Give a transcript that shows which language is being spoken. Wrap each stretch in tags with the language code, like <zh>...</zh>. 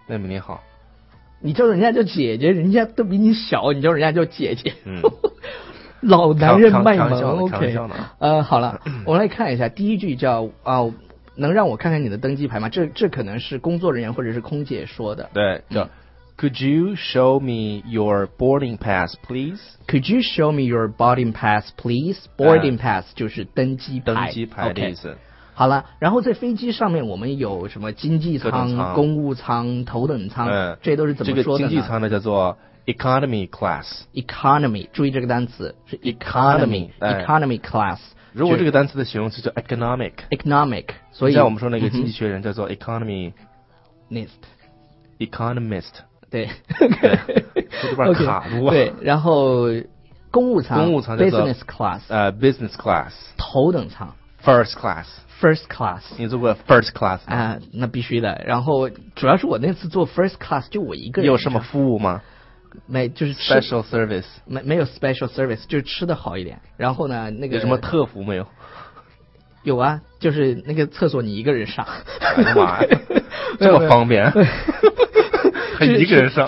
<zh>妹妹你好。你叫人家叫姐姐，人家都比你小，你叫人家叫姐姐。嗯。老男人卖萌 ，OK。好了，咳我们来看一下第一句叫啊。能让我看看你的登机牌吗？这可能是工作人员或者是空姐说的。对，叫。</zh> <en>Could you show me your boarding pass, please? Could you show me your boarding pass, please? Boarding pass</en> <zh>就是登机牌，登机牌的意思。</zh> <en>Okay.</en> <zh>好了，然后在飞机上面我们有什么经济舱、公务舱、头等舱、这都是怎么说的呢？这个经济舱呢叫做 economy class。 economy， 注意这个单词是 economy， economy class。如果这个单词的形容词叫 economic， economic， 所以像我们说那个经济学人叫做 economy nist</zh> <en>economist。</en> <zh>对，说这边卡住了。对，然后公务舱 business class，</zh> <en>business class。</en> <zh>头等舱</zh> <en>First class，</en> <zh>你坐过</zh> <en>first class</en> <zh>啊？那必须的。然后主要是我那次坐 first class 就我一个人。有什么服务吗？没，就是</zh> <en>special service。</en> <zh>没有 special service， 就是吃的好一点。然后呢，那个有什么特服没有？有啊，就是那个厕所你一个人上。妈呀，这么方便。还一个人上。</zh>